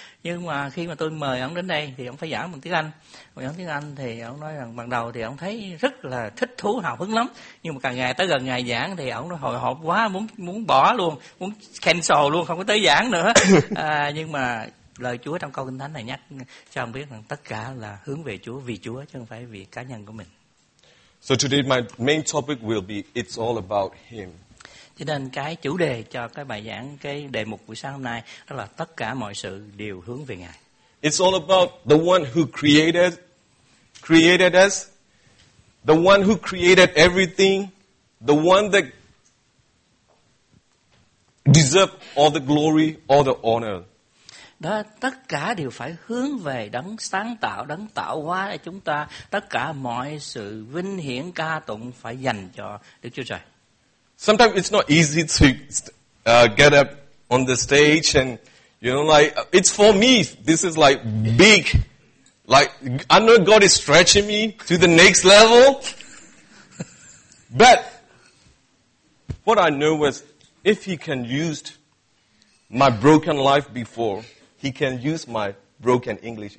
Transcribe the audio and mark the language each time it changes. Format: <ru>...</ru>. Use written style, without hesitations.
<vi>Nhưng mà khi mà tôi mời ông đến đây thì ông phải giảng bằng tiếng Anh. Ông giảng tiếng Anh thì ông nói rằng ban đầu thì ông thấy rất là thích thú, hào hứng lắm. Nhưng mà càng ngày tới gần ngày giảng thì ông nó hồi hộp quá, muốn bỏ luôn, muốn cancel luôn, không có tới giảng nữa. Nhưng mà lời Chúa trong câu Kinh Thánh này nhắc cho ông biết rằng tất cả là hướng về Chúa, vì Chúa chứ không phải vì cá nhân của mình.</vi> <en>So today my main topic will be it's all about him.</en> <vi>Cho nên cái chủ đề cho cái bài giảng, cái đề mục buổi sáng hôm nay đó là tất cả mọi sự đều hướng về Ngài.</vi> <en>It's all about the one who created us, the one who created everything, the one that deserve all the glory, all the honor.</en> <vi>Đó, tất cả đều phải hướng về đấng sáng tạo, đấng tạo hóa để chúng ta. Tất cả mọi sự vinh hiển ca tụng phải dành cho Đức Chúa Trời.</vi> <en>Sometimes it's not easy to get up on the stage and, you know, like, it's for me. This is like big. Like, I know God is stretching me to the next level. But what I know is if he can use my broken life before, he can use my broken English.</en>